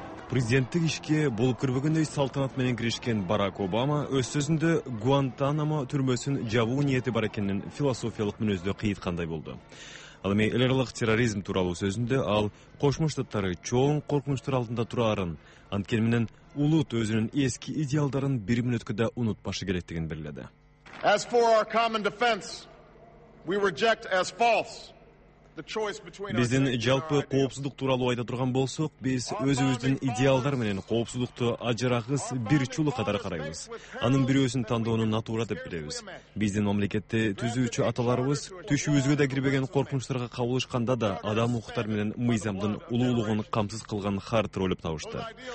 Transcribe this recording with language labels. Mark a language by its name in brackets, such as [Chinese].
[Kyrgyz] Президенттик ишке болуп көрбөгөндөй салтанат менен киришкен Барак Обама өз сөзүндө Гуантанамо түрмөсүн жабуу ниети бар экенин философиялык мүнөздө кыйыткандай болду. Ал эми эл аралык терроризм тууралуу сөзүндө ал Кошмо Штаттары чоң коркунучтар алдында тураарын, анткени менен улут өзүнүн эски идеалдарын бир мүнөткө да унутпашы керектигин белгиледи. [English] As for our common defense, we reject as false. [Kyrgyz] Биздин жалпы коопсуздук тууралуу айта турган болсок, биз өзүбүздүн идеалдар менен коопсуздукту ажырагыз бир чулу катары карайбыз. Анын бирөөсүн тандоону натура деп билебиз. Биздин мамлекетти түзүүчү аталарыбыз түшүбүзгө да кирбеген коркунучтарга кабылышканда да адам укуктар менен мыйзамдын улуулугун камсыз кылган харт ролуп табышты.